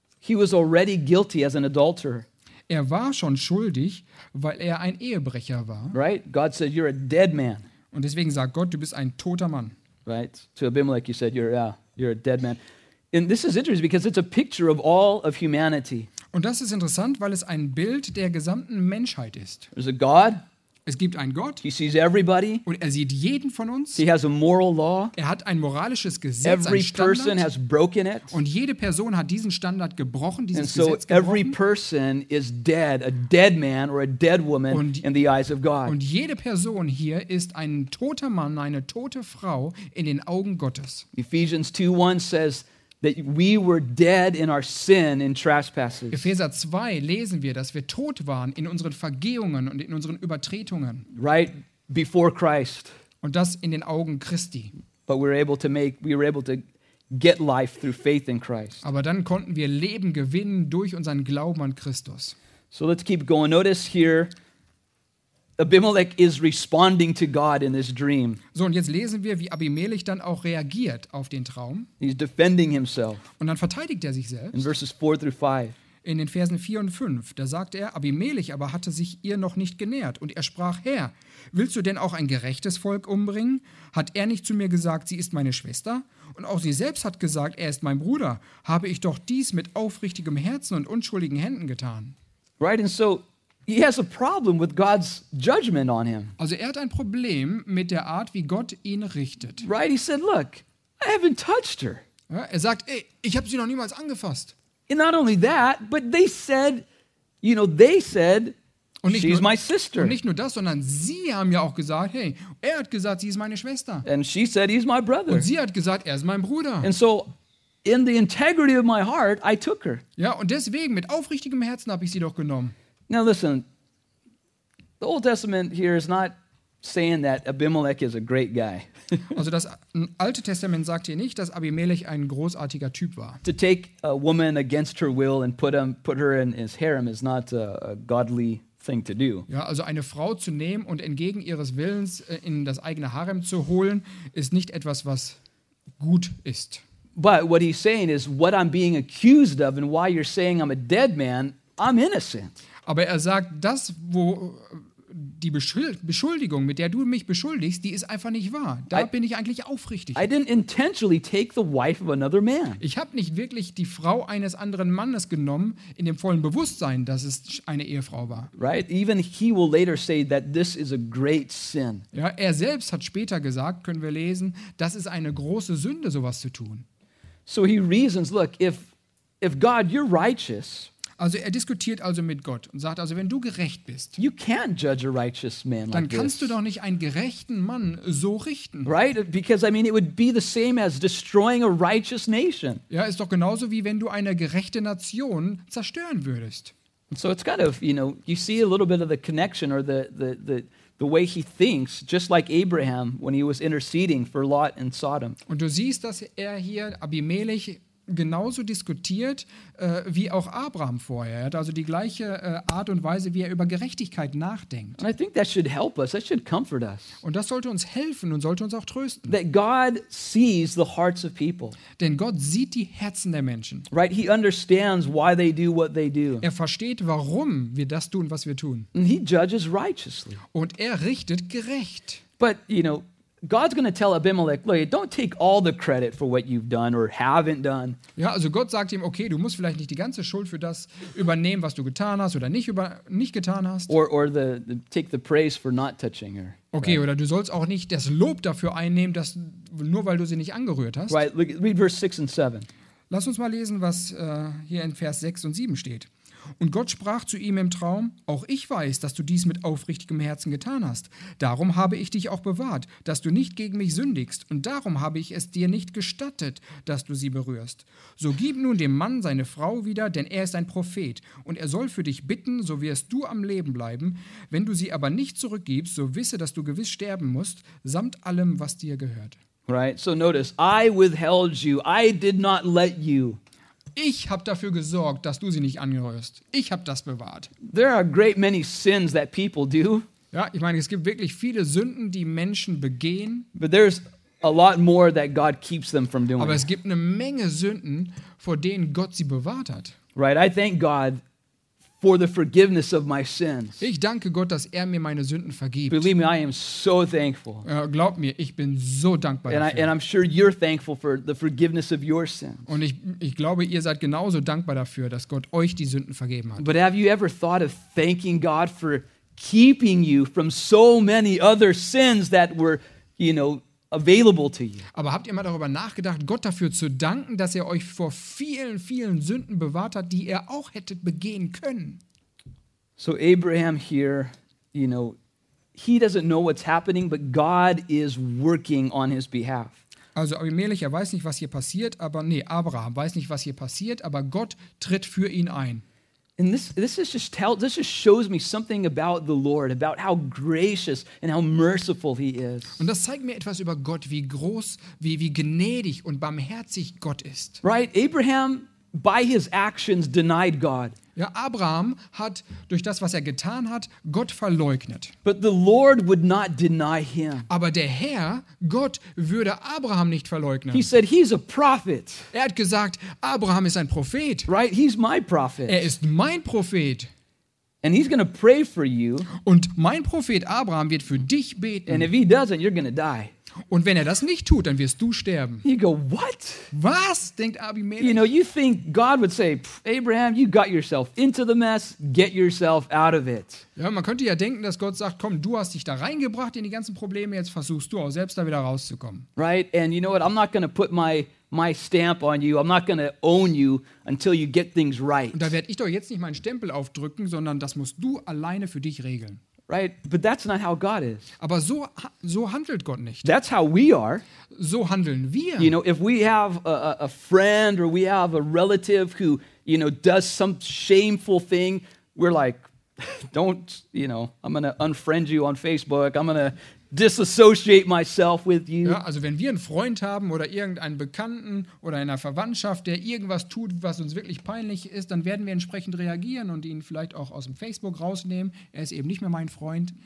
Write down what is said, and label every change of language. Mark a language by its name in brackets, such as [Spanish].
[English] He was already guilty as an adulterer. [German] Er war schon schuldig, weil er ein Ehebrecher war. [English] Right? God said you're a dead man. [German] Und deswegen sagt Gott, du bist ein toter Mann. [English] Right. To Abimelech you said you're a dead man. And this is interesting because it's a picture of all of humanity. [German] Und das ist interessant, weil es ein Bild der gesamten Menschheit ist. [English] There's a God. [German] Es gibt einen Gott. [English] He sees everybody. [German] Und er sieht jeden von uns. [English] He has a moral law. [German] Er hat ein moralisches Gesetz, [English] every [German] einen Standard. [English] Person has broken it. [German] Und jede Person hat diesen Standard gebrochen, dieses Gesetz gebrochen. [English] And so every person is dead, a dead man or a dead woman in the eyes of God. [German] Und jede Person hier ist ein toter Mann, eine tote Frau in den Augen Gottes. [English] Ephesians 2:1 says that we were dead in our sin and trespasses. [German] Epheser 2 lesen wir, dass wir tot waren in unseren Vergehungen und in unseren Übertretungen. [English] Right before Christ. [German] Und das in den Augen Christi. [English] But we were able to get life through faith in Christ. [German] Aber dann konnten wir Leben gewinnen durch unseren Glauben an Christus. [English] So let's keep going. Notice here, Abimelech is responding to God in this dream. [German] So, und jetzt lesen wir, wie Abimelech dann auch reagiert auf den Traum. [English] He's defending himself. [German] Und dann verteidigt er sich selbst. [English] In verses 4 through 5. [German] In den Versen 4 und 5, da sagt er, Abimelech aber hatte sich ihr noch nicht genähert. Und er sprach, Herr, willst du denn auch ein gerechtes Volk umbringen? Hat er nicht zu mir gesagt, sie ist meine Schwester? Und auch sie selbst hat gesagt, er ist mein Bruder. Habe ich doch dies mit aufrichtigem Herzen und unschuldigen Händen getan? [English] Right, and so he has a problem with God's judgment on him. [German] Also er hat ein Problem mit der Art, wie Gott ihn richtet. [English] Right, he said, look, I haven't touched her. [German] Ja, er sagt, ey, ich habe sie noch niemals angefasst. [English] And not only that, but they said, you know, they said, she's my sister. [German] Und nicht nur das, sondern sie haben ja auch gesagt, hey, er hat gesagt, sie ist meine Schwester. [English] And she said, he's my brother. [German] Und sie hat gesagt, er ist mein Bruder. [English] And so, in the integrity of my heart, I took her. [German] Ja, und deswegen, mit aufrichtigem Herzen habe ich sie doch genommen. [English] Now listen, the Old Testament here is not saying that Abimelech is a great guy. [German] Also das Alte Testament sagt hier nicht, dass Abimelech ein großartiger Typ war. [English] To take a woman against her will and put her in his harem is not a godly thing to do. [German] Ja, also eine Frau zu nehmen und entgegen ihres Willens in das eigene Harem zu holen, ist nicht etwas, was gut ist. [English] But what he's saying is what I'm being accused of and why you're saying I'm a dead man, I'm innocent. [German] Aber er sagt, das, wo die Beschuldigung, mit der du mich beschuldigst, die ist einfach nicht wahr. Bin ich eigentlich aufrichtig. [English] I didn't intentionally take the wife of another man. [German] Ich habe nicht wirklich die Frau eines anderen Mannes genommen, in dem vollen Bewusstsein, dass es eine Ehefrau war. [English] Right? Even he will later say that this is a great sin. [German] Ja, er selbst hat später gesagt, können wir lesen, das ist eine große Sünde, sowas zu tun. [English] So he reasons, look, if God, you're righteous. [German] Also er diskutiert also mit Gott und sagt, also wenn du gerecht bist, [English] you can't judge a righteous man [German] dann [English] like [German] kannst [English] this. [German] Du doch nicht einen gerechten Mann so richten. [English] Right? Because I mean, it would be the same as destroying a righteous nation. [German] Ja, ist doch genauso wie wenn du eine gerechte Nation zerstören würdest. [English] So it's kind of, you know, you see a little bit of the connection or the way he thinks, just like Abraham when he was interceding for Lot and Sodom. [German] Und du siehst, dass er hier Abimelech genauso diskutiert wie auch Abraham vorher. Er hat also die gleiche Art und Weise, wie er über Gerechtigkeit nachdenkt. [English] And I think that should help us. That should comfort us. [German] Und das sollte uns helfen und sollte uns auch trösten. [English] That God sees the hearts of people. [German] Denn Gott sieht die Herzen der Menschen. [English] Right? He understands why they do what they do. [German] Er versteht, warum wir das tun, was wir tun. [English] And he judges righteously. [German] Und er richtet gerecht. [English] But you know, God's going to tell Abimelech, look, don't take all the credit for what you've done or haven't done. [German] Ja, also Gott sagt ihm, okay, du musst vielleicht nicht die ganze Schuld für das übernehmen, was du getan hast oder nicht getan hast. [English] Or take the praise for not touching her. [German] Okay, right? Oder du sollst auch nicht das Lob dafür einnehmen, dass nur weil du sie nicht angerührt hast. [English] Right, read verse 6 and 7. [German] Lass uns mal lesen, was hier in Vers 6 und 7 steht. Und Gott sprach zu ihm im Traum, auch ich weiß, dass du dies mit aufrichtigem Herzen getan hast. Darum habe ich dich auch bewahrt, dass du nicht gegen mich sündigst. Und darum habe ich es dir nicht gestattet, dass du sie berührst. So gib nun dem Mann seine Frau wieder, denn er ist ein Prophet. Und er soll für dich bitten, so wirst du am Leben bleiben. Wenn du sie aber nicht zurückgibst, so wisse, dass du gewiss sterben musst, samt allem, was dir gehört. [English] Right, so notice, I withheld you, I did not let you. [German] Ich habe dafür gesorgt, dass du sie nicht angerührst. Ich habe das bewahrt. [English] There are great many sins that people do. [German] Ja, ich meine, es gibt wirklich viele Sünden, die Menschen begehen. [English] But there's a lot more that God keeps them from doing. [German] Aber es gibt eine Menge Sünden, vor denen Gott sie bewahrt hat. [English] Right, I thank God for the forgiveness of my sins. [German] Ich danke Gott, dass er mir meine Sünden vergibt. [English] Believe me, I am so thankful. [German] Glaub mir, ich bin so dankbar dafür. [English] And I'm sure you're thankful for the forgiveness of your sins. [German] Und ich glaube, ihr seid genauso dankbar dafür, dass Gott euch die Sünden vergeben hat. [English] But have you ever thought of thanking God for keeping you from so many other sins that were, you know, available to you? [German] Aber habt ihr mal darüber nachgedacht, Gott dafür zu danken, dass er euch vor vielen, vielen Sünden bewahrt hat, die ihr auch hättet begehen können? [English] So Abraham here, you know, he doesn't know what's happening, but God is working on his behalf. [German] Also Abimelech, er weiß nicht, was hier passiert, aber nee, Abraham weiß nicht, was hier passiert, aber Gott tritt für ihn ein. [English] And this just shows me something about the Lord, about how gracious and how merciful he is. [German] Und das zeigt mir etwas über Gott, wie groß, wie gnädig und barmherzig Gott ist. [English] Right, Abraham by his actions denied God. [German] Ja, Abraham hat durch das, was er getan hat, Gott verleugnet. [English] But the Lord would not deny him. [German] Aber der Herr, Gott, würde Abraham nicht verleugnen. [English] He said, he's a prophet. [German] Er hat gesagt, Abraham ist ein Prophet. [English] Right? He's my prophet. [German] Er ist mein Prophet. [English] And he's gonna pray for you. [German] Und mein Prophet Abraham wird für dich beten. [English] And if he doesn't, you're gonna die. [German] Und wenn er das nicht tut, dann wirst du sterben. [English] You go, what? [German] Was? Denkt Abimelech. [English] You know, you think God would say, Abraham, you got yourself into the mess, get yourself out of it. [German] Ja, man könnte ja denken, dass Gott sagt, komm, du hast dich da reingebracht in die ganzen Probleme, jetzt versuchst du auch selbst da wieder rauszukommen. [English] Right, and you know what, I'm not gonna put my stamp on you, I'm not gonna own you until you get things right. [German] Und da werde ich doch jetzt nicht meinen Stempel aufdrücken, sondern das musst du alleine für dich regeln. [English] Right, but that's not how God is. [German] Aber so handelt Gott nicht. [English] That's how we are. [German] So handeln wir. [English] You know, if we have a friend or we have a relative who, you know, does some shameful thing, we're like, don't, you know, I'm gonna unfriend you on Facebook. I'm gonna disassociate myself with you. [German] Ja, also wenn wir einen Freund haben oder irgendeinen Bekannten oder einer Verwandtschaft, der irgendwas tut, was uns wirklich peinlich ist, dann werden wir entsprechend reagieren und ihn vielleicht auch aus dem Facebook rausnehmen. Er ist eben nicht mehr mein Freund.